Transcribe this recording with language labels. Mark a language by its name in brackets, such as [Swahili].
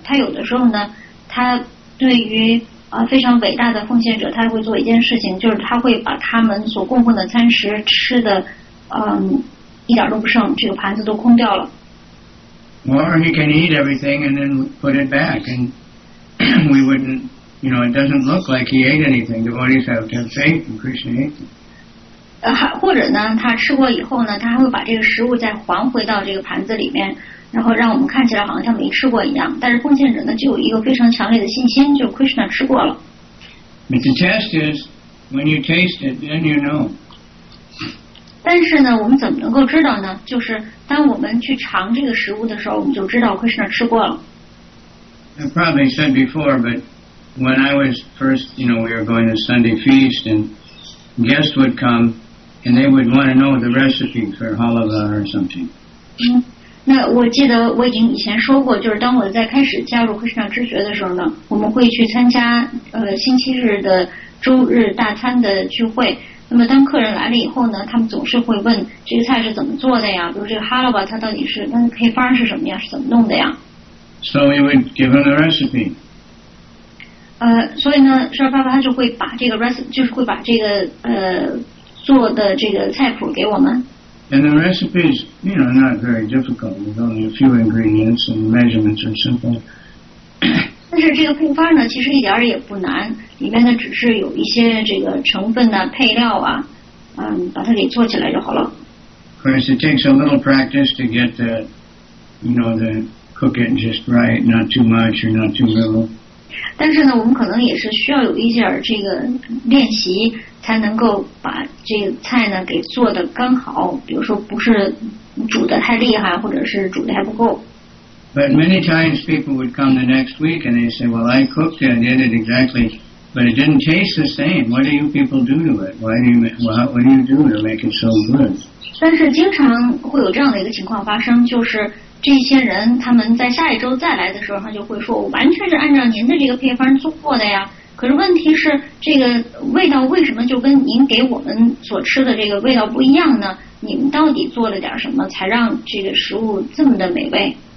[Chinese] 他有的时候呢，他对于非常伟大的奉献者，他会做一件事情，就是他会把他们所供奉的餐食吃的一点都不剩，这个盘子都空掉了。 [English] Or he can eat everything and then put it back, and we wouldn't, you know, it doesn't look like he ate anything. Devotees have to have faith in Krishna eating. [Chinese] 或者呢，他吃过以后呢，他还会把这个食物再还回到这个盘子里面，然后让我们看起来好像像没吃过一样。但是奉献者呢，就有一个非常强烈的信心，就是 Krishna 吃过了。 [English] But the test is when you taste it, then you know. [Chinese] 但是呢，我们怎么能够知道呢？就是当我们去尝这个食物的时候，我们就知道 Krishna 吃过了。 [English] I probably said before, but when I was first, you know, we were going to Sunday feast and guests would come and they would want to know the recipe for halava or something. [Chinese] 那我记得我已经以前说过，就是当我在开始加入 Krishna 知觉的时候呢，我们会去参加星期日的周日大餐的聚会。那么当客人来了以后呢，他们总是会问这个菜是怎么做的呀？比如这个 halava 它到底是它的配方是什么呀？是怎么弄的呀？ [English] So we would give them the recipe. [Chinese] 所以呢，沙尔巴巴他就会把这个 recipe， 就是会把这个做的这个菜谱给我们。 [English] And the recipe is, you know, not very difficult. With only a few ingredients and measurements are simple. [Chinese] 但是这个配方呢，其实一点也不难。里面呢，只是有一些这个成分呢、配料啊，把它给做起来就好了。 [English] Of course, it takes a little practice to get the, you know, the. Cook it just right, not too much or not too little. [Chinese] 但是呢，我们可能也是需要有一点这个练习，才能够把这个菜呢给做的刚好。比如说，不是煮的太厉害，或者是煮的还不够。 [English] But many times people would come the next week and they say, "Well, I cooked it and did it exactly, but it didn't taste the same. What do you people do to it? Why do you what do you do to make it so good?" [Chinese] 但是经常会有这样的一个情况发生，就是。这些人他们在下一周再来的时候，他就会说，我完全是按照您的这个配方做过的呀。可是问题是，这个味道为什么就跟您给我们所吃的这个味道不一样呢？你们到底做了点什么，才让这个食物这么的美味